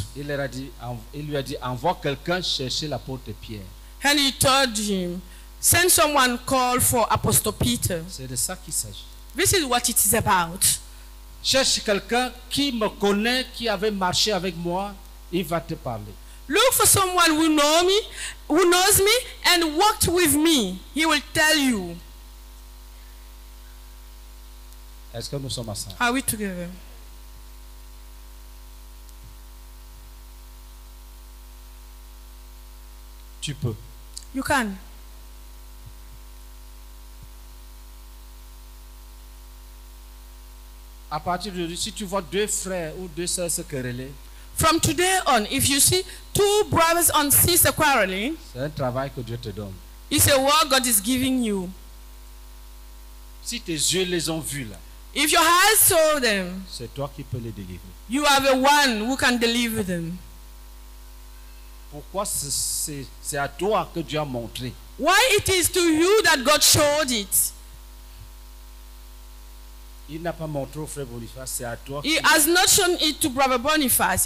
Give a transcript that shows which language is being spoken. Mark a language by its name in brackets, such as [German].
[French] Il lui a dit, envoie quelqu'un chercher l'apôtre Pierre. [English] And he told him, send someone call for Apostle Peter. [French] C'est de ça qu'il s'agit. [English] This is what it is about. [French] Cherche quelqu'un qui me connaît, qui avait marché avec moi, il va te parler. [English] Look for someone who knows me, and walked with me. He will tell you. [French] Est-ce que nous sommes ensemble? [English] Are we together? [French] Tu peux. [English] You can. [French] À partir de si tu vois deux frères ou deux sœurs se quereller. [English] From today on, if you see two brothers and sisters quarreling. [French] C'est un travail que Dieu te donne. [English] It's a work God is giving you. [French] Si tes yeux les ont vus là. [English] If your eyes saw them, [French] c'est toi qui peux les délivrer. [English] You are the one who can deliver them. [French] Pourquoi c'est à toi que Dieu a montré? [English] Why it is to you that God showed it? [French] Il n'a pas montré au frère Boniface, c'est à toi. [English] He has not shown it to Brother Boniface.